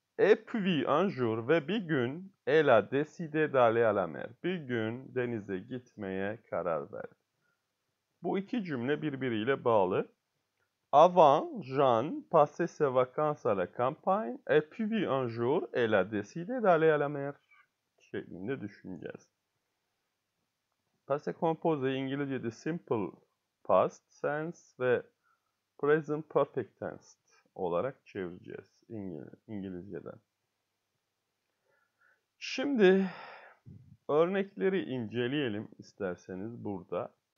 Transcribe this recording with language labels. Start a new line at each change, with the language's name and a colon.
French: Et puis un jour
Turkish: ve bir gün
French: elle a décidé d'aller à la mer.
Turkish: Bir gün denize gitmeye karar verdi. Bu iki cümle birbiriyle bağlı.
French: Avant, Jean passait ses vacances à la campagne et puis un jour, elle a décidé d'aller à la mer.
Turkish: Şeklinde düşüneceğiz. Passé composé, İngilizce'de simple past tense ve present perfect tense olarak çevireceğiz İngilizce'den. Şimdi örnekleri inceleyelim isterseniz burada.